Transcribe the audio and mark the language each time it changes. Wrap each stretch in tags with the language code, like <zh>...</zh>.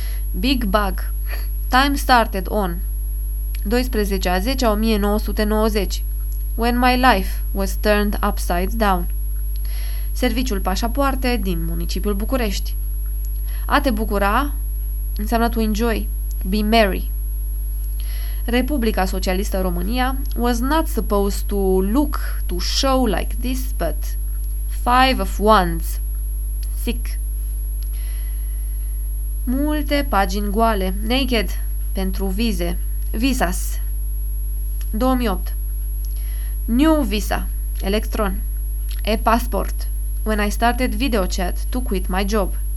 <en>Big Bug. Time started on 12/10/1990. When my life was turned upside down.</en> <ro>Serviciul Pașapoarte din municipiul București. A te bucura înseamnă</ro> <en>to enjoy, be merry. Republica Socialistă România was not supposed to look to show like this, but five of wands. Sick.</en> <ro>Multe pagini goale, naked, pentru vize, visas.</ro> <en>2008. New visa, electron, e-passport, when I started video chat to quit my job.</en>